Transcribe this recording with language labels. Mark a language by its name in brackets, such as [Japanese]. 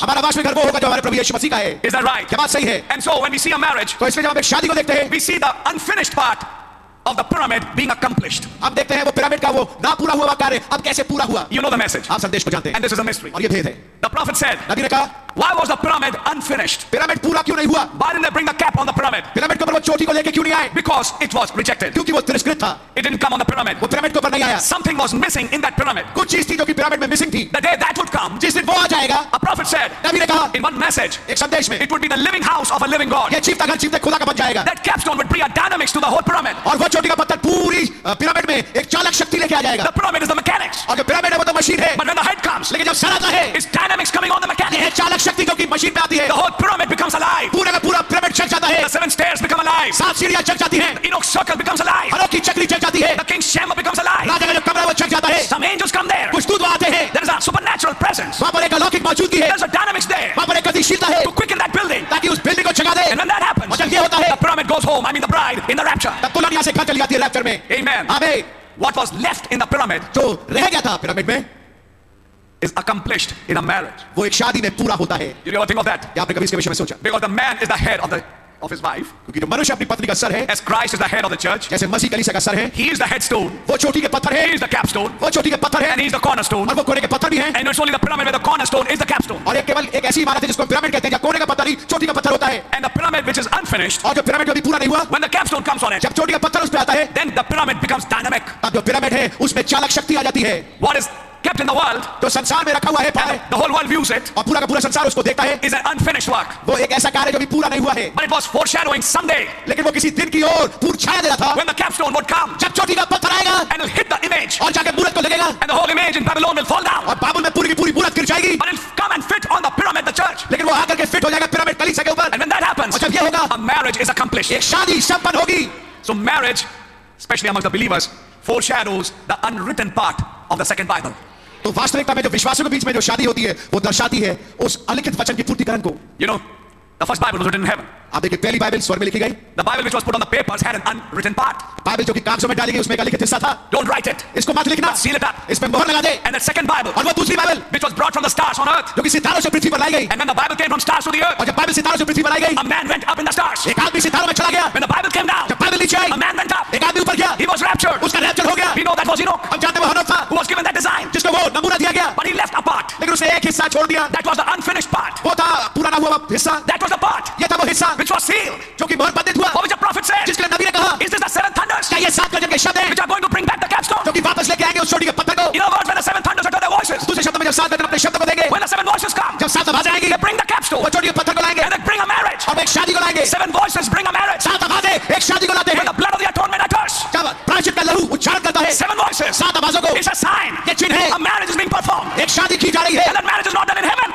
[Hindi] हमारा वास्तविक घर वो होगा जो हमारे प्रभु यीशु मसीह का है. [English] Is that right? [Hindi] क्या बात सही है? [English] And so when we see a marriage. [Hindi] तो इसमें जब हम एक शादी को देखते हैं. [English] We see the unfinished part. Of the pyramid being accomplished. [Hindi] अब देखते हैं वो पिरामिड का वो ना पूरा हुआ कार्य अब कैसे पूरा हुआ. [English] You know the message. [Hindi] आप संदेश को जानते हैं. [English] And this is a mystery. [Hindi] और ये भेद है. [English] The prophet said. [Hindi] नबी ने कहा. [English] Why was the pyramid unfinished? [Hindi] Pyramid पूरा क्यों नहीं हुआ? [English] Why didn't they bring the cap on the pyramid? [Hindi] Pyramid के ऊपर वो चोटी को लेके क्यों नहीं आए? [English] Because it was rejected. [Hindi] क्योंकि वो तिरस्कृत था. [English] It didn't come on the pyramid. [Hindi] वो पिरामिड के ऊपर नहीं आया. [English] Something was missing in that pyramid. [Hindi] कुछ चीज थी जो कि पिरामिड में मिसिंग थी. [English] The day that would come. [Hindi] जिस दिन वो आ जाएगा. [English] A prophet said. [Hindi] नबी ने कहा. [English] In one message. [Hindi] एक संदेश में. [English] It would be the living house of a living God. [Hindi] ये चीफ तक चीफ तक खुदा का बन जाएगा. [English] That capstone would bring a dynamics to the whole pyramid. [Hindi] और वो चोटी का पत्थर पूरी पिरामिड में एक चालक शक्ति लेके आ जाएगा. [English] The pyramid is the mechanics. [Hindi] और जो पिरामिड है वो तो मशीन है. [English] But when the head comes. [Hindi] लेकिन जब सर आता है. [English] Is dynamics coming on the mechanics? [Hindi] ये चालक शक्ति क्योंकि मशीन पे आती है. [English] The whole pyramid becomes alive. [Hindi] पूरा का पूरा पिरामिड चल जाता है. [English] The seven stairs become alive. [Hindi] सात सीढ़ियां चल जाती हैं. [English] The inner circle becomes alive. [Hindi] हरों की चक्री चल जाती है. [English] The king's chamber becomes alive. [Hindi] राजा का जो कमरा वो चल जाता है. [English] Some angels come there. [Hindi] कुछ दूत आते हैं. [English] There is a supernatural presence. [Hindi] वहाँ पर एक अलौकिक मौजूदगी है. [English] There's a dynamics there. [Hindi] वहाँ पर एक गतिशीलता है. [English] To quicken that building. [Hindi] ताकि उस बिल्डिंग को जगा दे. [English] And when that happens. [Hindi] और जब ये होता है. [English] The pyramid goes home. I mean the bride in the rapture. [Hindi] तब दुल्हन यहाँ से घर चली जाती है रैप्चर में. [English] Amen. [Hindi] आमीन. [English] What was left in the pyramid? [Hindi] जो रह गया था पिरामिड में. [English] Is accomplished in a marriage. [Hindi] वो एक शादी में पूरा होता है. [English] You ever think of that? [Hindi] क्या आपने कभी इसके विषय में सोचा? [English] Because the man is the head of the of his wife, [Hindi] क्योंकि जो मनुष्य अपनी पत्नी का सर है, [English] as Christ is the head of the church, [Hindi] जैसे मसीह कलीसिया का सर है, [English] he is the headstone, [Hindi] वो चोटी के पत्थर है, [English] he is the capstone, [Hindi] वो चोटी के पत्थर है, [English] and he is the cornerstone, [Hindi] और वो कोने के पत्थर भी है, [English] and it's only the pyramid where the cornerstone is the capstone, [Hindi] और ये केवल एक ऐसी इमारत है जिसको पिरामिड कहते हैं, जहां कोने का पत्थर ही चोटी का पत्थर होता है, [English] and the pyramid which is unfinished, [Hindi] और जो पिरामिड अभी पूरा नहीं हुआ, [English] when the capstone comes on it, [Hindi] जब चोटी का पत्थर उस पे आता है, [English] then the pyramid becomes dynamic, [Hindi] तब जो पिरामिड है, उसमें चालक शक्ति आ जाती है, [English] what is kept in the world, [Hindi] तो संसार में रखा हुआ है, [English] the whole world views it, [Hindi] और पूरा का पूरा संसार उसको देखता है, [English] is an unfinished work, [Hindi] वो एक ऐसा कार्य जो भी पूरा नहीं हुआ है, [English] but it was foreshadowing someday, [Hindi] लेकिन वो किसी दिन की ओर पूर्छाया दे रहा था, [English] when the capstone would come, [Hindi] जब चोटी का पत्थर आएगा, [English] and it'll hit the image, [Hindi] और जाके मूरत को लगेगा, [English] and the whole image in Babylon will fall down, [Hindi] और बाबुल में पूरी की पूरी मूरत गिर जाएगी, [English] but it'll come and fit on the pyramid, the church, [Hindi] लेकिन वो आकर के फिट हो जाएगा पिरामिड कलीसिया के ऊपर, [English] and when that happens, [Hindi] और जब ये होगा, [English] a marriage is accomplished, [Hindi] एक शादी संपन्न होगी, [English] so marriage, especially amongst the believers, foreshadows the unwritten part of the second Bible. [Hindi] तो वास्तविकता में जो विश्वासों के बीच में जो शादी होती है वो दर्शाती है उस अलिखित वचन की पूर्तिकरण को. [English] You know, the first Bible was written in heaven. [Hindi] आप देखिए पहली बाइबल स्वर्ग में लिखी गई. [English] The Bible which was put on the papers had an unwritten part. [Hindi] Bible जो कि कागजों में डाली गई उसमें एक अलिखित हिस्सा था. [English] Don't write it. [Hindi] इसको मत लिखना. [English] Seal it up. [Hindi] इस पे मोहर लगा दे. [English] And the second Bible. [Hindi] और वो दूसरी Bible. [English] Which was brought from the stars on earth. [Hindi] जो कि सितारों से पृथ्वी पर लाई गई. [English] And when the Bible came from stars to the earth. [Hindi] और जब बाइबल सितारों से पृथ्वी पर लाई गई. [English] A man went up in the stars. [Hindi] एक आदमी सितारों में चला गया. [English] When the Bible came down. [Hindi] जब बाइबल नीचे आई. [English] A man went up. [Hindi] एक आदमी ऊपर गया. [English] He was raptured. [Hindi] उसका रैप्चर हो गया. [English] We know that was Enoch. [Hindi] हम जानते हैं हनोक था. [English] Who was given that design. [Hindi] जिसको वो नमूना दिया गया. [English] But he left a part. [Hindi] लेकिन उसे एक हिस्सा छोड़ दिया. [English] That was the unfinished part. [Hindi] वो था पूरा ना हुआ हिस्सा. [English] That was the part. [Hindi] ये था वो हिस्सा. [English] Which was sealed. [Hindi] जो कि मोहर बंधित हुआ. [English] What was the prophet said. [Hindi] जिसके नबी ने कहा. [English] Is this the seventh thunder? [Hindi] क्या ये सात गजब के शब्द हैं? [English] Which are going to bring back the capstone. [Hindi] जो कि वापस लेके आएंगे उस छोटी के पत्थर को. [English] You know God when the seventh thunder utter their voices. [Hindi] दूसरे शब्द में जब सात गजब अपने शब्द को देंगे. [English] When the seven voices come. [Hindi] जब सात आवाजें आएंगी. [English] They bring the capstone. [Hindi] वो छोटी के पत्थर को लाएंगे. [English] And they bring a marriage. [Hindi] और एक शादी को लाएंगे. [English] Seven voices bring a marriage. [Hindi] सात आवाजें एक शादी को लाते हैं. [English] When the blood of the atonement utters. [Hindi] जब प्रायश्चित का लहू उच्चारण करता है. [English] Seven voices. [Hindi] सात आवाजों को. [English] It's a sign. [Hindi] ये चिन्ह है. [English] A marriage is being performed. [Hindi] एक शादी की जा रही है. [English] And that marriage is not done in heaven.